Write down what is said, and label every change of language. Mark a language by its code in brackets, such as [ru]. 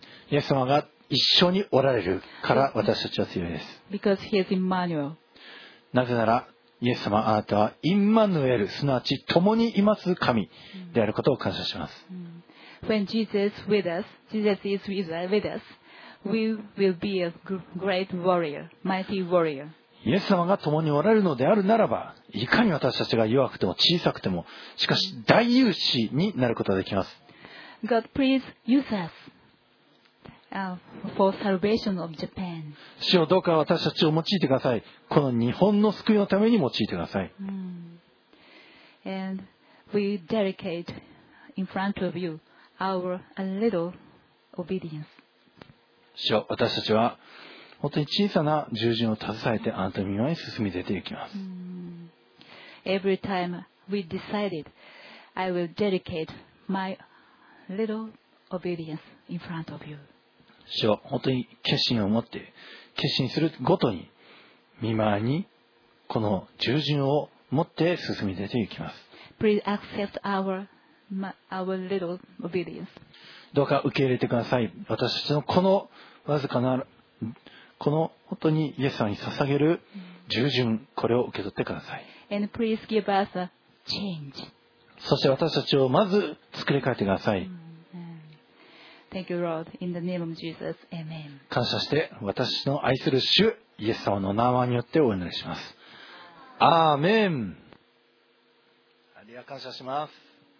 [ja] イエス様が一緒におられるから私たちは強いです。 [en] Because he is Emmanuel. [ja] なぜならイエス様、あなたはインマヌエル、すなわち共にいます神であることを感謝します。 [en] When Jesus with us, Jesus is with us. We will be a great warrior, mighty warrior. [ja] イエス様が共におられるのであるならば、いかに私たちが弱くても小さくても、しかし大勇士になることができます。 [en] God, please use us for salvation of Japan. [ja] 主よ、どうか私たちを用いてください。この日本の救いのために用いてください。 [en] And we dedicate in front of you our a little obedience. [ja] 主よ、私たちは本当に小さな従順を携えてあなたの御前に進み出ていきます。 [en] Every time we decided, I will dedicate my little obedience in front of you. [ja] 主は本当に決心を持って、決心するごとに御前にこの従順を持って進み出ていきます。 [en] Please accept our little obedience. [ja] どうか受け入れてください。私たちのこのわずかなこの本当にイエス様に捧げる従順、これを受け取ってください。 [en] And please give us a change. [ja] そして私たちをまず作り変えてください。 [en] Thank you, Lord. In the name of Jesus. Amen. [ja] 感謝して私の愛する主イエス様の名前によってお祈りします。アーメン。ありがとう、感謝します。